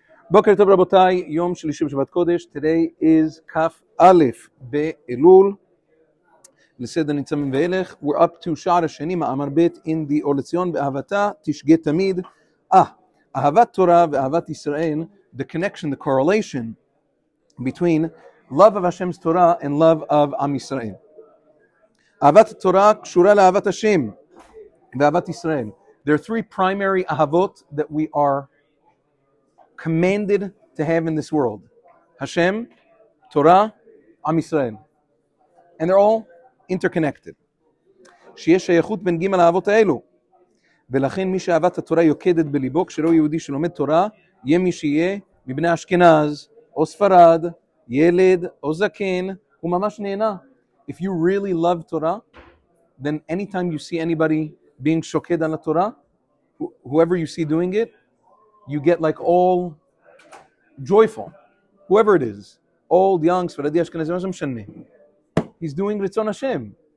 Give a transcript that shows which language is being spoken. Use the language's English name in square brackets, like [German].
[Hebrew] בוקר טוב רבותיי, יום שלישי בשבת קודש. [English] Today is Kaf Aleph [Hebrew] באלול. לסדר ניצמים ואלך. [English] We're up to [Hebrew] שער השני, מאמר בית [English] in the Or Lezion. [Hebrew] באהבתה תשגה תמיד. אהבת תורה ואהבת ישראל. [English] The connection, the correlation between love of Hashem's Torah and love of Am Yisrael. [Hebrew] אהבת התורה קשורה לאהבת השם ואהבת ישראל. [English] There are three primary אהבות that we are commanded to have in this world. Hashem, Torah, Am Yisrael. And they're all interconnected. [Hebrew] שיש שייכות בין ג' האהבות האלו. ולכן מי שאהבת התורה יוקדת בליבו, כשראו יהודי שלומד תורה, יהיה מי שיהיה מבני אשכנז, או ספרד, ילד, או זקן, הוא ממש נהנה. [English] If you really love Torah, then anytime you see anybody being shoked on the Torah, whoever you see doing it, you get like all joyful. Whoever it is, old, young, Sfaradi, Ashkenazi, Mazam Shani. He's doing Ritzon Hashem.